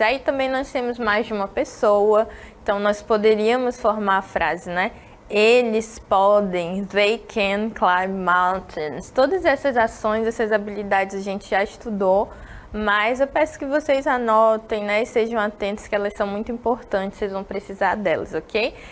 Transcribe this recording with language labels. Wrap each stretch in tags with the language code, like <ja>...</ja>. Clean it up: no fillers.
<pt>Aí também nós temos mais de uma pessoa, então nós poderíamos formar a frase, né? Eles podem,</pt> <en>they can climb mountains.</en> <pt>Todas essas ações, essas habilidades a gente já estudou, mas eu peço que vocês anotem, né? E sejam atentos, que elas são muito importantes, vocês vão precisar delas, ok?</pt>